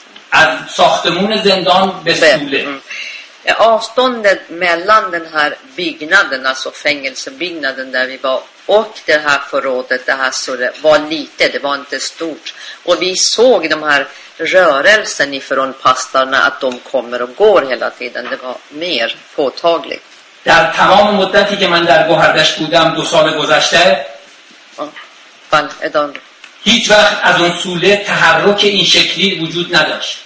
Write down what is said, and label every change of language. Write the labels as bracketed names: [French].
[Persian] از ساختمون زندان به سوله. [Swedish] Avståndet mellan den här byggnaden, alltså fängelsebyggnaden där vi var, och det här förrådet, det här surre, var lite, det var inte stort. Och vi såg de här rörelsen ifrån pastarna, att de kommer och går hela tiden, det var mer påtagligt. [Persian] در تمام مدتی که من در گوهردشت بودم دو سال گذشته بله ادامه هیچ وقت از اون سوله تحرک این شکلی وجود نداشت.